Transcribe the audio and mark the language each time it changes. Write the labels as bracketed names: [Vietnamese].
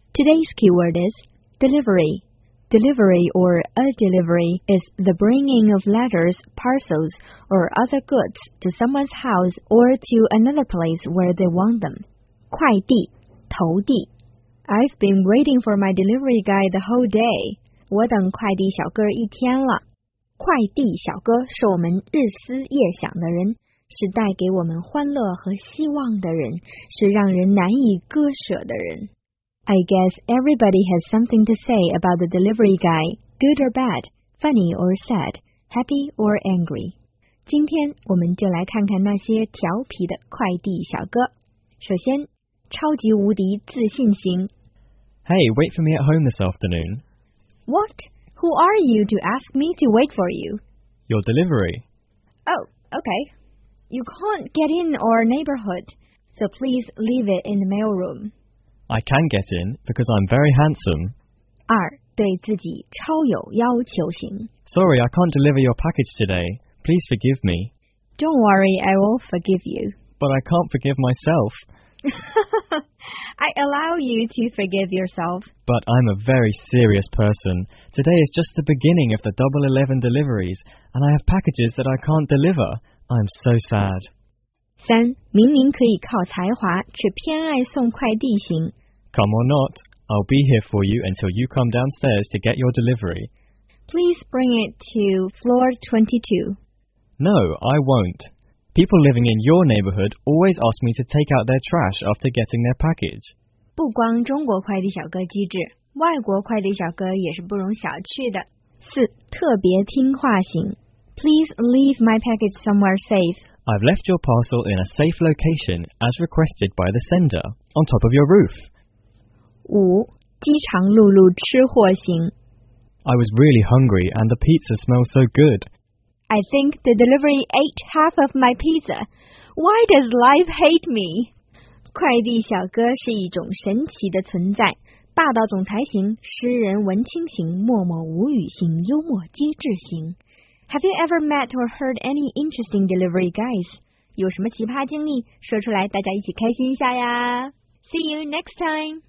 [English] Today's keyword is delivery. Delivery or a delivery is the bringing of letters, parcels, or other goods to someone's house or to another place where they want them. [Chinese] 快递投递 [English] I've been waiting for my delivery guy the whole day. [Chinese] 我等快递小哥一天了。快递小哥是我们日思夜想的人，是带给我们欢乐和希望的人，是让人难以割舍的人。 [English] I guess everybody has something to say about the delivery guy, good or bad, funny or sad, happy or angry. [Chinese] 今天我们就来看看那些调皮的快递小哥。首先，超级无敌自信型。 [English] Hey, wait for me at home this afternoon. What? Who are you to ask me to wait for you? Your delivery. Oh, okay. You can't get in our neighborhood, so please leave it in the mailroom. I can get in, because I'm very handsome. [Chinese] 二,对自己超有要求型。 [English] Sorry, I can't deliver your package today. Please forgive me. Don't worry, I will forgive you. But I can't forgive myself. I allow you to forgive yourself. But I'm a very serious person. Today is just the beginning of the Double 11 deliveries, and I have packages that I can't deliver. I'm so sad. [Chinese] 三,明明可以靠才华,却偏爱送快递型。 [English] Come or not, I'll be here for you until you come downstairs to get your delivery. Please bring it to floor 22. No, I won't. People living in your neighborhood always ask me to take out their trash after getting their package. [Chinese] 不光中国快递小哥机智,外国快递小哥也是不容小觑的。四,特别听话型。 [English] Please leave my package somewhere safe. I've left your parcel in a safe location, as requested by the sender, on top of your roof. [Chinese] 五,饥肠辘辘吃货型。 [English] I was really hungry, and the pizza smells so good. I think the delivery ate half of my pizza. Why does life hate me? [Chinese] 快递小哥是一种神奇的存在，霸道总裁型、诗人文青型、默默无语型、幽默机智型。 [English] Have you ever met or heard any interesting delivery guys? [Chinese] 有什么奇葩经历？说出来，大家一起开心一下呀！ [English] See you next time!